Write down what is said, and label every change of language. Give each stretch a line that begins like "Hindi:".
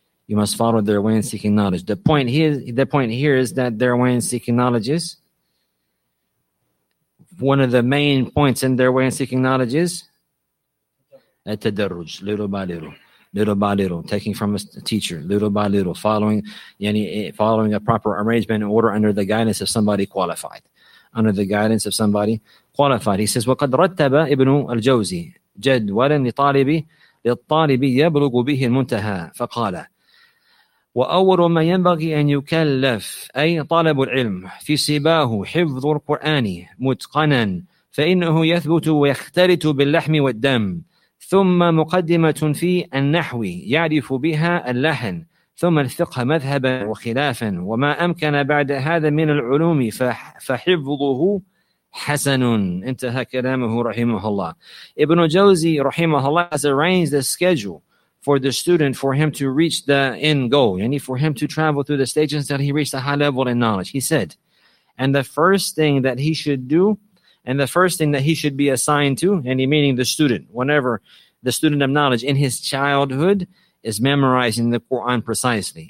English: The point here is that their way in seeking knowledge is, one of the main points in their way in seeking knowledge is, at-tadarruj, little by little. little by little, taking from a teacher, little by little, following a proper arrangement and order under the guidance of somebody qualified. Under the guidance of somebody qualified. He says,
Arabic: وَقَدْ رَتَّبَ إِبْنُ الْجَوْزِي جَدْوَلًا لِطَالِبِ يَبْلُغُ بِهِ الْمُنْتَهَى فَقَالَ وَأَوَّلُ مَا يَنْبَغِي أَنْ يُكَلَّفْ أي طالب العلم في سباه حفظ القرآن متقناً فإنه يثبت ويختلط باللحم والدم ثم مقدمة في النحو يعرف بها اللحن ثم الفقه مذهبا وخلافا وما أمكن بعد هذا من العلوم فحفظه حسن انتهى كلامه رحمه الله.
English: Ibn Jawzi رحمه الله has arranged the schedule for the student for him to reach the end goal, yani for him to travel through the stages until he reached a high level in knowledge. He said, and the first thing that he should do And the first thing that he should be assigned to, and he meaning the student, whenever the student of knowledge in his childhood is memorizing the Quran precisely.